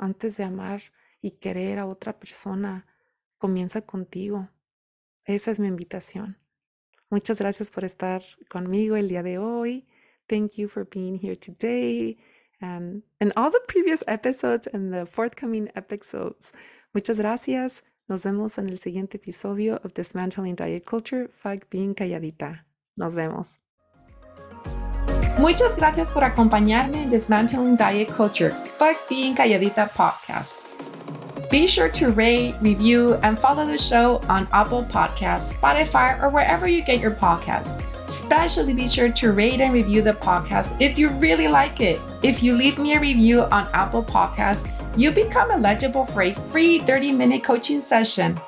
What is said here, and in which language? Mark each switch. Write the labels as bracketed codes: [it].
[es] Antes de amar y querer a otra persona, comienza contigo. Esa es mi invitación. Muchas gracias por estar conmigo el día de hoy. [en] Thank you for being here today and in all the previous episodes and the forthcoming episodes. [es] Muchas gracias. Nos vemos en el siguiente episodio of Dismantling Diet Culture. [en] Fuck being calladita. [es] Nos vemos. Muchas gracias por acompañarme en Dismantling Diet Culture. [en] Fuck being calladita podcast. Be sure to rate, review, and follow the show on Apple Podcasts, Spotify, or wherever you get your podcast. Especially be sure to rate and review the podcast if you really like it. If you leave me a review on Apple Podcasts, you become eligible for a free 30-minute coaching session.